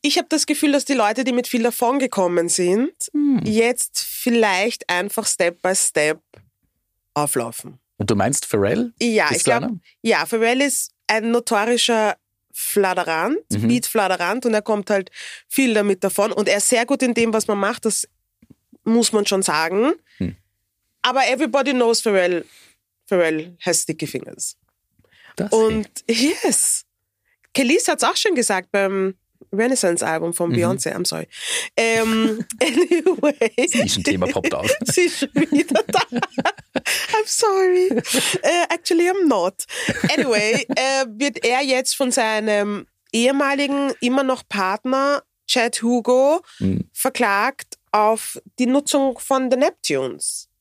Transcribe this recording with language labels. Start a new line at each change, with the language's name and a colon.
German: Ich habe das Gefühl, dass die Leute, die mit viel davon gekommen sind, jetzt vielleicht einfach Step by Step auflaufen. Und du meinst Pharrell? Ja, ich glaube, Pharrell ist ein notorischer Flatterant, Beat-Flatterant, und er kommt halt viel damit davon. Und er ist sehr gut in dem, was man macht, das muss man schon sagen. Aber
English: everybody knows Pharrell has sticky fingers.
German: Das und
English: yes,
German: Kelis hat es auch schon gesagt beim Renaissance-Album von Beyoncé,
English: I'm sorry. Anyway.
German: Das Nischenthema poppt auf. Sie ist schon wieder da.
English: I'm sorry. Actually, I'm not. Anyway,
German: wird er jetzt von seinem ehemaligen, immer noch Partner, Chad Hugo, verklagt auf die Nutzung von The Neptunes.